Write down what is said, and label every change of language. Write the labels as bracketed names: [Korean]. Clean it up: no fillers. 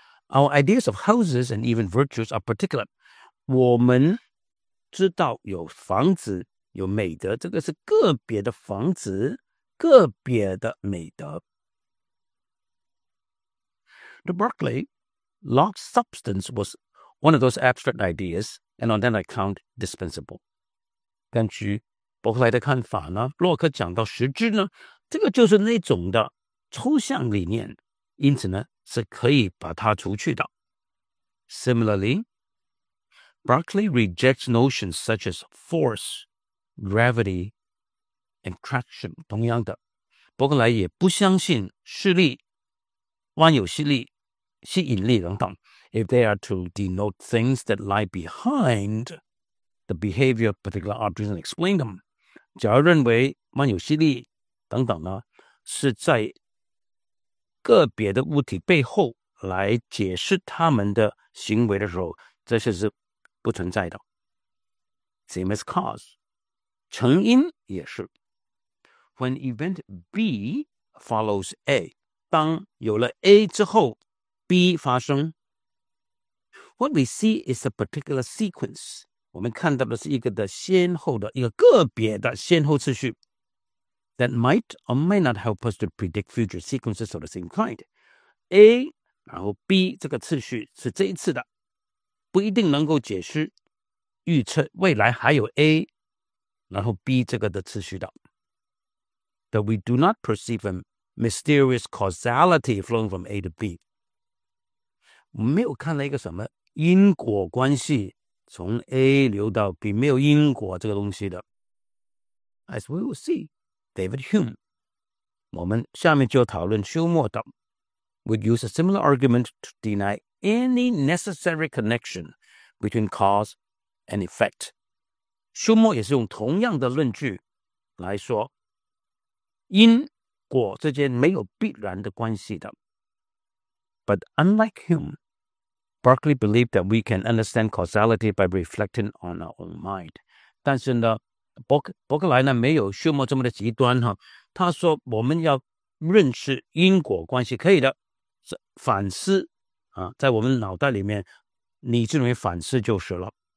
[English] Our ideas of houses and even virtues are particular. [Chinese] 我们知道有房子，有美德，这个是个别的房子，个别的美德。 [English] To Berkeley, Locke's substance was one of those abstract ideas, and on that account, dispensable. [Chinese] 根据伯克莱的看法呢，洛克讲到实质呢，这个就是那种的抽象理念，因此呢，是可以把它除去的。 [English] Similarly, Berkeley rejects notions such as force, gravity, and traction. [Chinese] 同样的，伯克莱也不相信势力、万有吸力、吸引力等等。 [English] If they are to denote things that lie behind the behavior of particular objects and explain them, [Chinese] 假如认为万有吸力等等呢，是在个别的物体背后来解释他们的行为的时候，这些是不存在的。 [English] Same as cause, [Chinese] 成因也是。 [English] When event B follows A, [Chinese] 当有了 A 之后 B 发生。 [English] What we see is a particular sequence. [Chinese] 我们看到的是一个的先后的一个个别的先后次序。 [English] That might or may not help us to predict future sequences of the same kind. [Chinese] A, 然后 B 这个次序是这一次的，不一定能够解释预测未来还有 A, 然后 B 这个的次序的。 [English] That we do not perceive a mysterious causality flowing from A to B. [Chinese] 我们没有看到一个什么因果关系从 A 流到 B， 没有因果这个东西的。 [English] As we will see, David Hume， [Chinese] 我们下面就讨论休谟的， [English] would use a similar argument to deny any necessary connection between cause and effect。 [Chinese] 休谟也是用同样的论据来说，因果之间没有必然的关系的。 [English] But unlike Hume,Berkeley believed that we can understand causality by reflecting on our own mind. [Chinese] 但是呢，伯克莱呢没有休谟这么的极端哈。他说我们要认识因果关系可以的，是反思啊，在我们脑袋里面理智里面反思就是了。